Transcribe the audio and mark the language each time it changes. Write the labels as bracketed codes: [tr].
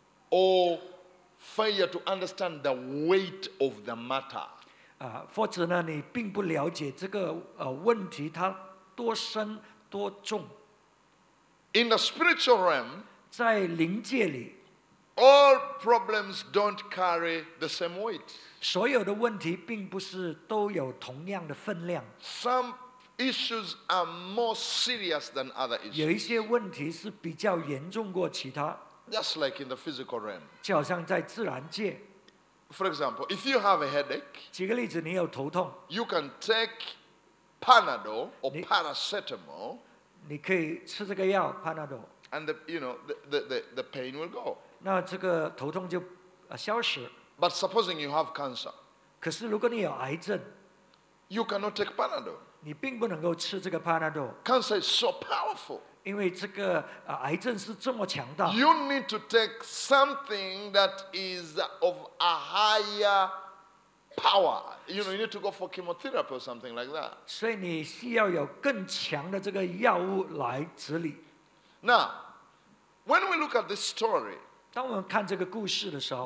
[en] or failure to understand the weight of the matter. [zh] 或者呢,你并不了解这个问题它多深多重。 [en] In the spiritual realm, [zh] 在灵界里, [en] all problems don't carry the same weight. [zh] 所有的问题并不是都有同样的分量。 [en] Some issues are more serious than other issues. [zh] 有一些问题是比较严重过其他。 [en] Just like in the physical realm. [zh] 就好像在自然界, [en] for example, if you have a headache, [zh] 举个例子, 你有头痛, [en] you can take Panadol or [zh] 你, [en] paracetamol, [zh] 你可以吃这个药, Panadol, [en] and the pain will go. [zh] 那这个头痛就, [en] but supposing you have cancer, [zh] 可是如果你有癌症, [en] you cannot take Panadol. [zh] 你并不能够吃这个 Panadol. [en] Cancer is so powerful. [zh] 因为这个癌症是这么强大, [en] you need to take something that is of a higher power. You know, you need to go for chemotherapy or something like that. [zh] 所以你需要有更强的这个药物来治理。 [en] Now, when we look at this story, [zh] 当我们看这个故事的时候,